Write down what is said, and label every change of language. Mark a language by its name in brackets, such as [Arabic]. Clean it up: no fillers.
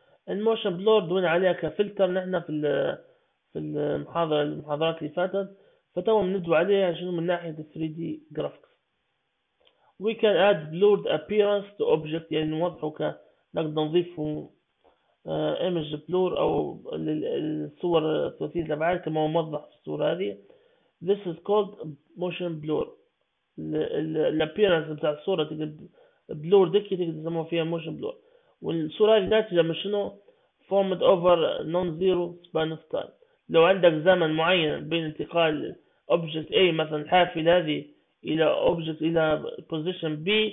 [Arabic] الموشن بلور دوينا عليها كفلتر نحنا في المحاضرات اللي فاتت، فتوا بندو عليها شنو من ناحية 3D graphics. [English] We can add blurred appearance to object، [Arabic] يعني نوضحو نقدر نضيفو image blur أو للصور ثلاثية الأبعاد كما هو موضح في الصورة هذه. [English] This is called motion blur. [Arabic] ال appearance بتاع الصورة بلور دكي تقدر تسموها فيها motion blur، والصورة هذه ناتجة من شنو؟ [English] formed over non zero span of time. [Arabic] لو عندك زمن معين بين انتقال object A مثلا الحافلة هذه إلى object إلى position B